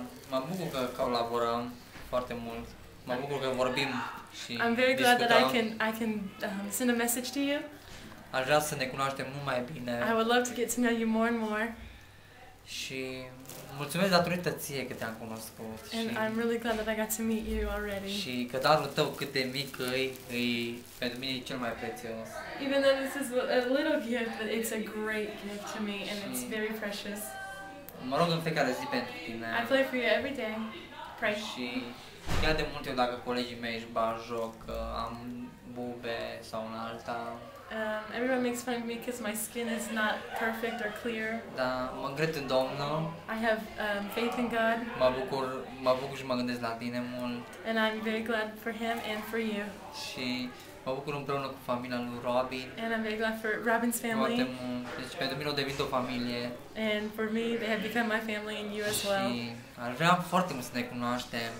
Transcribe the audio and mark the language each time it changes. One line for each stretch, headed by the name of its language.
Romanian: Mă bucur că colaborăm foarte mult. Mă bucur că vorbim și
English: I'm very
Romanian: discutăm.
English: Glad that I can send a message to you.
Romanian: Aș vrea să ne cunoaștem mult mai bine.
English: I would love to get to know you more and more.
Romanian: Și mulțumesc datorită ție că te-am cunoscut.
English: And
Romanian: și
English: I'm really glad that I got to meet you already.
Romanian: Și că darul tău cât de mic e pentru mine e cel mai prețios.
English: Even though this is a little gift, but it's a great gift to me and it's very precious.
Romanian: Mă rog în fiecare zi pentru tine.
English: I play for you every day. Pray.
Romanian: Și chiar de multe ori dacă colegii mei își bat joc, am bube sau una alta.
English: Everyone makes fun of me because my skin is not perfect or clear.
Romanian: Da, mă cred în Domnul.
English: I have faith in God.
Romanian: Mă bucur și mă gândesc la tine mult.
English: And I'm very glad for him and for you.
Romanian: Și mă bucur împreună cu familia lui Robin.
English: And I'm very glad for Robin's family.
Romanian: Foarte mult. Deci pentru mine au devenit o familie.
English: And for me, they have become my family and you as well.
Romanian: Și ar vrea foarte mult să ne cunoaștem